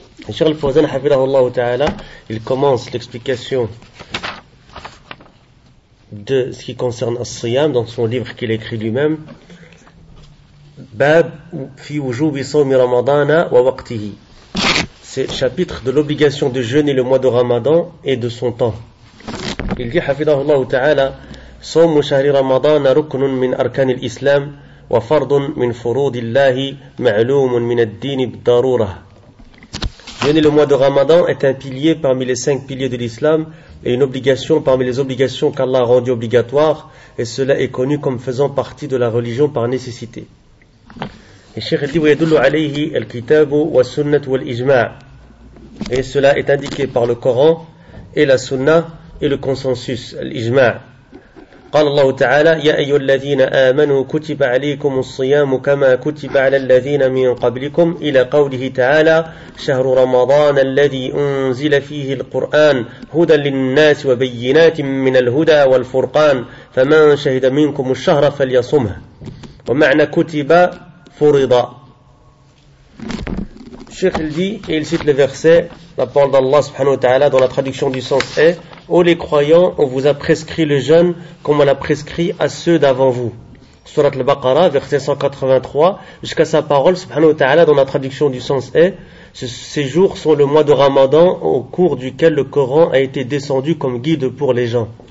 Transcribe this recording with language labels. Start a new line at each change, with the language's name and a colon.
French: Cheikh al-Fawzan
Arabic: حفظه الله تعالى,
French: il commence l'explication de ce qui concerne al-Siyam dans son livre qu'il a écrit lui-même,
Arabic: Bab fi wujub sawmi ramadana wa waqtihi.
French: C'est le chapitre de l'obligation de jeûner le mois de Ramadan et de son temps. Il dit,
Arabic: حفظه الله تعالى, صوم شهر رمضان ركن من أركان الإسلام وفرض من فروض الله معلوم من الدين بالضرورة.
French: Jeûner le mois de Ramadan est un pilier parmi les cinq piliers de l'islam et une obligation parmi les obligations qu'Allah a rendues obligatoires, et cela est connu comme faisant partie de la religion par nécessité. Et Cheikh dit,
Arabic: ويدل عليه الكتاب والسنة والإجماع.
French: Et cela est indiqué par le Coran et la Sunna et le consensus, l'Ijma.
Arabic: قال الله تعالى يا أيها الذين آمنوا كتب عليكم الصيام كما كتب على الذين من قبلكم إلى قوله تعالى شهر رمضان الذي أنزل فيه القرآن هدى للناس وبينات من الهدى والفرقان فمن شهد منكم الشهر فليصمه. ومعنى كتب فرض. الشيخ الدي
French: il cite le verset, la parole d'Allah
Arabic: subhanahu wa ta'ala
French: dans la traduction du sens est: ô les croyants, on vous a prescrit le jeûne comme on l'a prescrit à ceux d'avant vous. Sourate al-Baqarah, verset 183, jusqu'à sa parole,
Arabic: subhanahu wa ta'ala,
French: dans la traduction du sens est, ces jours sont le mois de Ramadan au cours duquel le Coran a été descendu comme guide pour les gens.